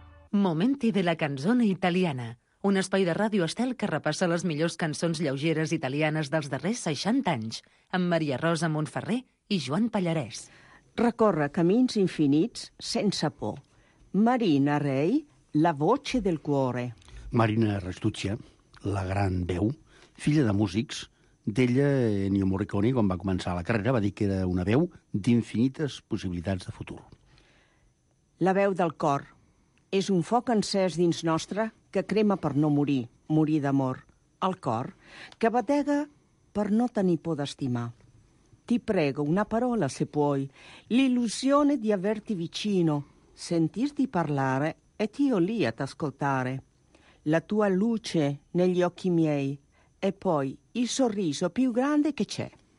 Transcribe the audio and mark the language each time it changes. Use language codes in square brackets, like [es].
[ca] Momenti de la canzone italiana, un espai de Ràdio Estel que repassa les millors cançons lleugeres italianes dels darrers 60 anys, amb Maria Rosa Montferrer i Joan Pallarès. Recorre camins infinits sense por. [it] Marina Rey, la voce del cuore. [ca] Marina Restuccia, la gran veu, filla de músics, d'ella Ennio Morricone, quan va començar la carrera, va dir que era una veu d'infinites possibilitats de futur. La veu del cor. És un foc encès dins nostre que crema per no morir, morir d'amor. El cor, que batega per no tenir por d'estimar. [it] Ti prego una parola, se puoi, l'illusione di averti vicino, sentirti parlare e io lì ad ascoltare. La tua luce negli occhi miei e poi il sorriso più grande che c'è.